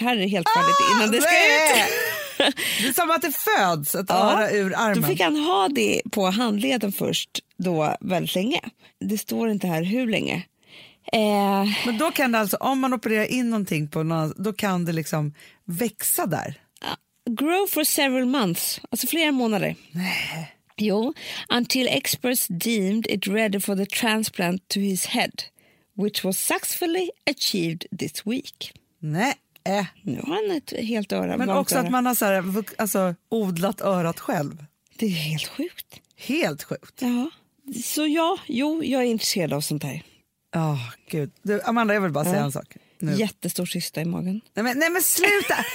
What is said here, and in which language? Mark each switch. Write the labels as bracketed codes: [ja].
[sv] Här är det helt färdigt innan det ska ut. Det är som att det föds att öra ur armen. Då fick han ha det på handleden först då väldigt länge. Det står inte här hur länge. Men då kan det alltså, om man opererar in någonting på någon, då kan det liksom växa där. [en] Grow for several months. [sv] Alltså flera månader. Nej. Jo, [en] until experts deemed it ready for the transplant to his head, which was successfully achieved this week. [sv] Nej. Nu har han ett helt öra. Men också öra. Att man har så här, alltså, odlat örat själv. Det är helt sjukt. Helt sjukt. Ja. Så jag är intresserad av sånt här. Åh, gud. Du, Amanda, jag vill bara säga en sak. Nu. Jättestor syster i magen. Nej men sluta.